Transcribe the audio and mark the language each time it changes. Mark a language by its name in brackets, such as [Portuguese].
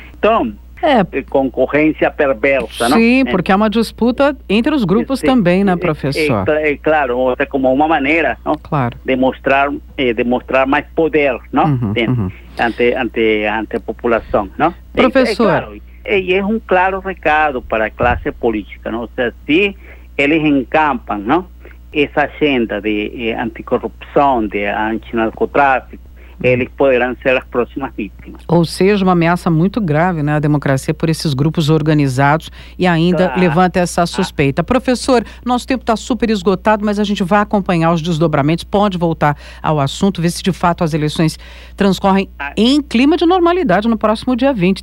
[Portuguese] Então, concorrência perversa. Sim, não? Porque há uma disputa entre os grupos também, né, professor? É claro, é como uma maneira, não? Claro. Demonstrar mais poder, não? Ante a população, não? Professor... É claro, [Spanish] y es un claro recado para la clase política, ¿no? O sea, si ellos encampan, ¿no?, esa agenda de anticorrupción, de antinarcotráfico, [Portuguese] eles poderão ser as próximas vítimas. Ou seja, uma ameaça muito grave, né, à democracia por esses grupos organizados e ainda levanta essa suspeita. Professor, nosso tempo está super esgotado, mas a gente vai acompanhar os desdobramentos, pode voltar ao assunto, ver se de fato as eleições transcorrem em clima de normalidade no próximo dia 20.